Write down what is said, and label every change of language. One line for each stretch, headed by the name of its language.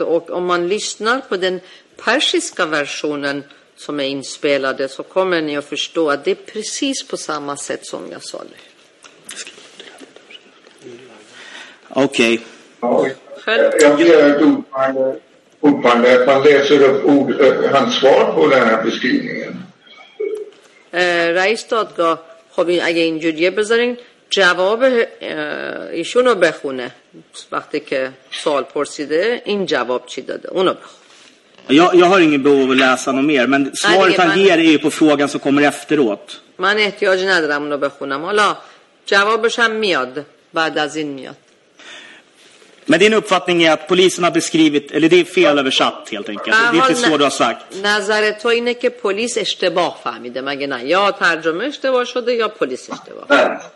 Swedish: Och om man lyssnar på den persiska versionen som är inspelade så kommer ni att förstå att det är precis på samma sätt som jag sa nu. Okej. Okay. Jag läser upp hans svar på den här beskrivningen.
Persian: Reis Dadgah. خب اگه اینجوریه بذارین جواب ایشون رو بخونه وقتی که سوال پرسیده این جواب چی داده اونو بخونه.
Swedish: Jag har ingen behov att läsa något mer, men svaret han ger är ju på frågan som kommer efteråt.
Persian: من احتیاج ندارم اونو بخونم. حالا جوابش هم میاد بعد از این میاد.
Swedish: Men din uppfattning är att polisen har beskrivit, eller det är fel översatt helt enkelt. Det är inte så du har sagt.
Persian: Nazaret var inne att polis اشتباه فهمیده. مگه نه یا ترجمه اشتباه شده یا پلیس اشتباه.